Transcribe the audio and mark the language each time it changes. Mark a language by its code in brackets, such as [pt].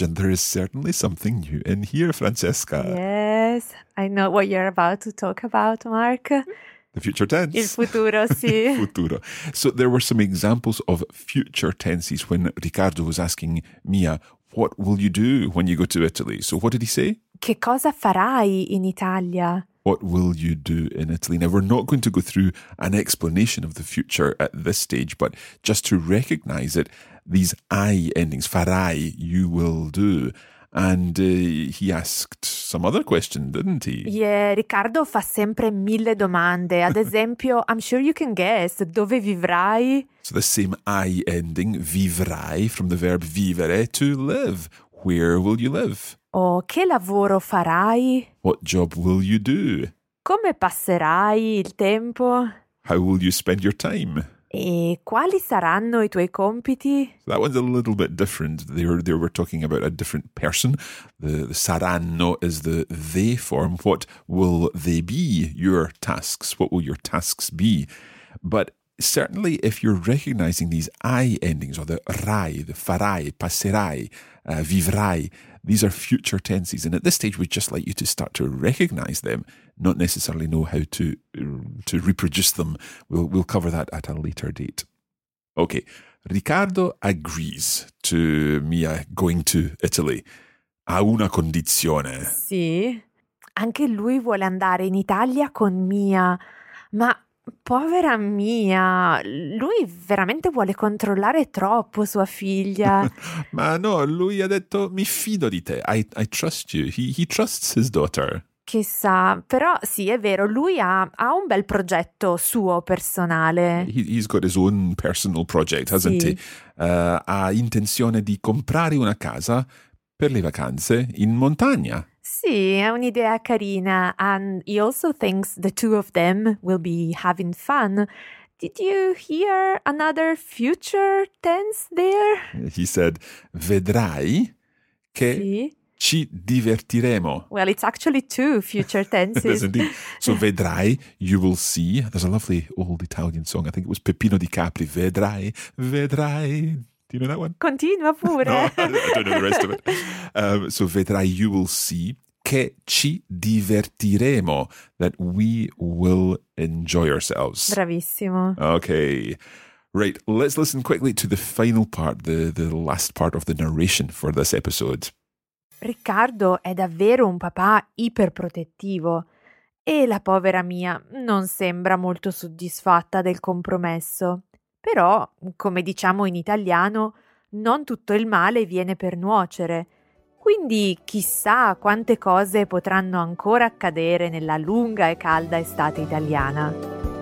[en] And there is certainly something new in here, Francesca. Yes, I know what you're about to talk about, Mark. The future tense. [it] Il futuro, sì. Futuro. [en] So there were some examples of future tenses when Riccardo was asking Mia, what will you do when you go to Italy? So what did he say? [it] Che cosa farai in Italia? [en] What will you do in Italy? Now, we're not going to go through an explanation of the future at this stage, but just to recognize it, these I endings, farai, you will do. And he asked some other question, didn't he? Yeah, [it] Riccardo fa sempre mille domande. Ad esempio, [en] I'm sure you can guess, [it] dove vivrai? [en] So the same I ending, vivrai, from the verb vivere, to live. Where will you live? [it] Oh, che lavoro farai? [en] What job will you do? [it] Come passerai il tempo? [en] How will you spend your time? [it] E quali saranno I tuoi compiti? [en] So that one's a little bit different. There we're talking about a different person. The saranno is the they form. What will they be, your tasks? What will your tasks be? But certainly if you're recognizing these I endings, or the rai, the farai, passerai, vivrai, these are future tenses. And at this stage, we'd just like you to start to recognize them, not necessarily know how to reproduce them. We'll cover that at a later date. Okay, Riccardo agrees to Mia going to Italy. [it] A una condizione. Sì, anche lui vuole andare in Italia con Mia. Ma povera Mia, lui veramente vuole controllare troppo sua figlia. Ma no, lui ha detto mi fido di te. [en] I trust you. He trusts his daughter. [it] Chissà, però sì, è vero, lui ha un bel progetto suo personale. [en] He's got his own personal project, hasn't [it] sì. [en] he? [it] Ha intenzione di comprare una casa per le vacanze in montagna. Sì, è un'idea carina. [en] And he also thinks the two of them will be having fun. Did you hear another future tense there? He said, [it] vedrai che... Sì. Ci divertiremo. [en] Well, it's actually two future tenses. So vedrai, you will see. There's a lovely old Italian song. I think it was Peppino di Capri. [it] Vedrai, vedrai. [en] Do you know that one? [it] Continua pure. [en] No, I don't know the rest of it. So vedrai, you will see. [it] Che ci divertiremo. [en] That we will enjoy ourselves. [it] Bravissimo. [en] Okay. Right. Let's listen quickly to the final part, the last part of the narration for this episode. [it] Riccardo è davvero un papà iperprotettivo e la povera Mia non sembra molto soddisfatta del compromesso. Però, come diciamo in italiano, non tutto il male viene per nuocere. Quindi chissà quante cose potranno ancora accadere nella lunga e calda estate italiana.